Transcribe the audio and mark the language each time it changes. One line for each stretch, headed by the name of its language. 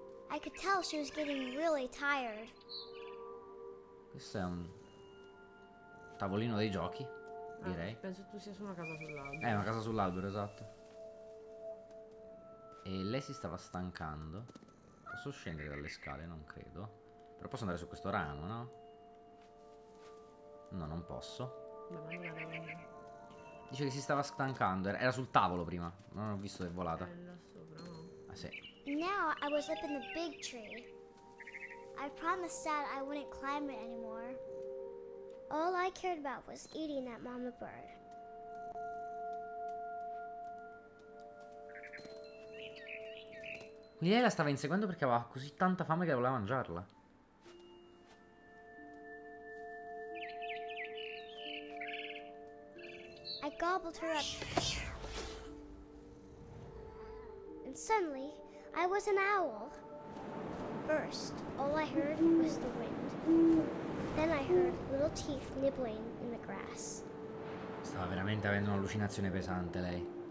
English: I could tell she was getting really tired.
Italian: Questo è un tavolino dei giochi, direi. Penso tu sia su una casa sull'albero. È una casa sull'albero, esatto. E lei si stava stancando. Posso scendere dalle scale? Non credo. Però posso andare su questo ramo, no? No, non posso. Dice che si stava stancando. Era sul tavolo prima. Non ho visto che è volata. Là sopra, no? Ah, sì.
English: Ora I was up in the big tree. I promised Dad I wouldn't climb it anymore. All I cared about was eating that mama bird.
Italian: Quindi lei la stava inseguendo perché aveva così tanta fame che voleva mangiarla.
English: I gobbled her up. And suddenly, I was an owl. First, all I heard was the wind. Then I heard little teeth nibbling in the grass.
Italian: Stava veramente avendo un'allucinazione pesante lei.